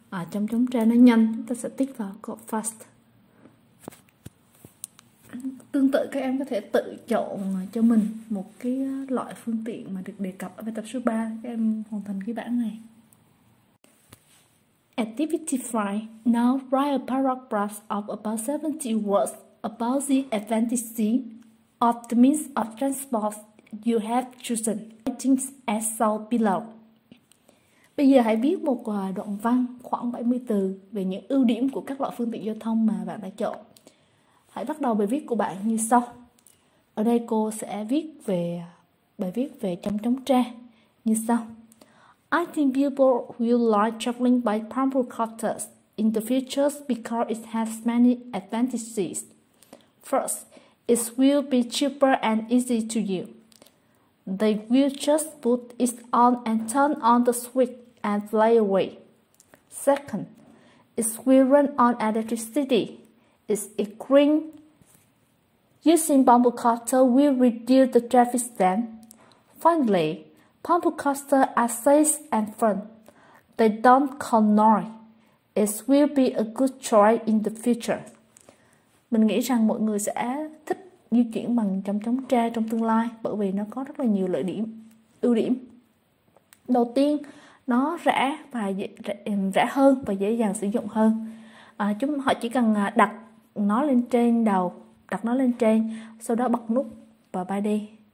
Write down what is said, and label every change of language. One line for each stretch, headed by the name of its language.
Vietnamese: Chống chống tre nó nhanh, chúng ta sẽ tích vào câu fast. Tương tự, các em có thể tự chọn cho mình một cái loại phương tiện mà được đề cập ở bài tập số 3. Các em hoàn thành cái bảng này.
English: Activity 5. Now write a paragraph of about 70 words about the advantages of the means of transport you have chosen. Writing as shown below.
Vietnamese: Bây giờ hãy viết một đoạn văn khoảng 70 từ về những ưu điểm của các loại phương tiện giao thông mà bạn đã chọn. Hãy bắt đầu bài viết của bạn như sau. Ở đây cô sẽ viết về bài viết về chống chống tre như sau.
English: I think people will like traveling by pumpercopter in the future because it has many advantages. First, it will be cheaper and easy to use. They will just put it on and turn on the switch and fly away. Second, it will run on electricity. It's a green. Using pumpercopter will reduce the traffic jam. Finally, pumpercopter are safe and fun. They don't cause noise. It will be a good choice in the future.
Vietnamese: Mình nghĩ rằng mọi người sẽ thích di chuyển bằng chống chống tre trong tương lai bởi vì nó có rất là nhiều lợi điểm, ưu điểm. Đầu tiên, nó rẻ và rẻ hơn và dễ dàng sử dụng hơn. Họ chỉ cần đặt nó lên trên đầu, đặt nó lên trên, sau đó bật nút và bay đi.